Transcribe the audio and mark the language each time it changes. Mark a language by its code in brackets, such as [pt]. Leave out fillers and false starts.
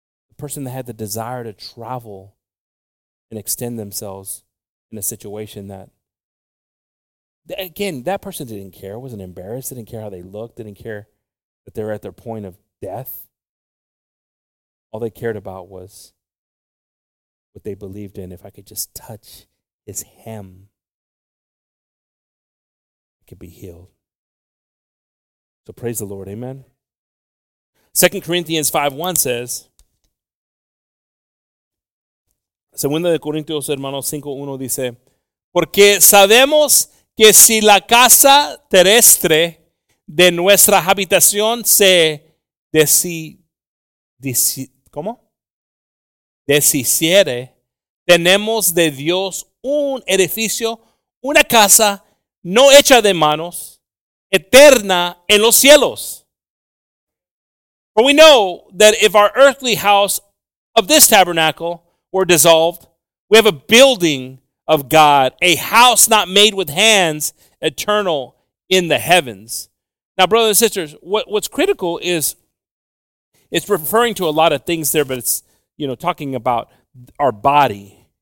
[en] The person that had the desire to travel and extend themselves in a situation that, again, that person didn't care, wasn't embarrassed, didn't care how they looked, didn't care that they were at their point of death. All they cared about was what they believed in. If I could just touch his hem, I could be healed. So praise the Lord. Amen. 2 Corinthians 5:1 says, [es] 2 Corintios, hermanos, 5:1 dice, porque sabemos que si la casa terrestre de nuestra habitación se deshiciere, tenemos de Dios un edificio, una casa no hecha de manos, eterna en los cielos. [en] For we know that if our earthly house of this tabernacle were dissolved, we have a building of God, a house not made with hands, eternal in the heavens. Now, brothers and sisters, what's critical is, it's referring to a lot of things there, but it's, you know, talking about our body.